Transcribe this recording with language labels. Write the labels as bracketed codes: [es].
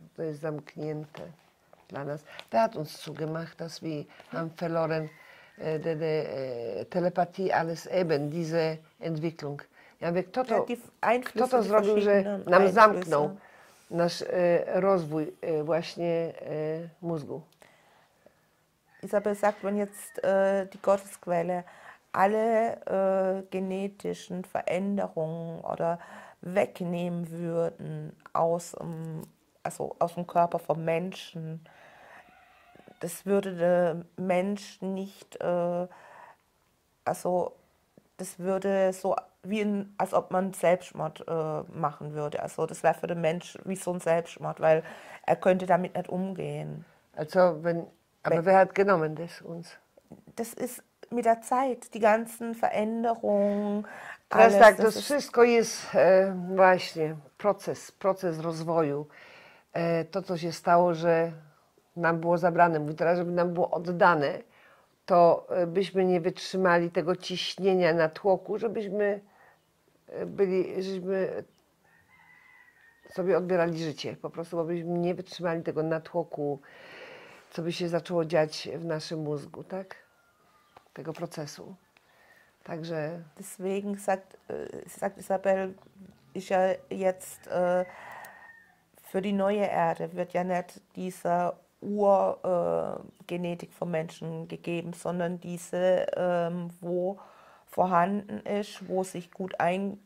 [pl] To jest zamknięte dla nas. [de] Wer hat uns zugemacht, dass wir haben verloren. Die Telepathie, alles eben, diese Entwicklung. [pl] Ja, wie, kto to, ja, kto to zrobił, że nam Einflüsse. Zamknął nasz rozwój właśnie mózgu? [de] Isabel sagt, wenn jetzt die Gottesquelle alle genetischen Veränderungen oder wegnehmen würden aus, also aus dem Körper von Menschen, das würde der Mensch nicht, also das würde so wie ein, als ob man Selbstmord machen würde. Also das wäre für den Mensch wie so ein Selbstmord, weil er könnte damit nicht umgehen. Also wenn, aber wer hat genommen das uns? Das ist mit der Zeit, die ganzen Veränderungen. [pl] Alles, tak, das wszystko jest właśnie proces rozwoju. To co się stało, że nam było zabrane, mówi teraz, żeby nam było oddane, to byśmy nie wytrzymali tego ciśnienia na tłoku, żebyśmy byli, żebyśmy sobie odbierali życie po prostu, bo byśmy nie wytrzymali tego natłoku, co by się zaczęło dziać w naszym mózgu, tak? Tego procesu. Także. [de] Deswegen sagt Isabel, ich ja jetzt für die neue Erde wird ja nicht dieser Urgenetik von Menschen gegeben, sondern diese, wo vorhanden ist, wo sich gut ein...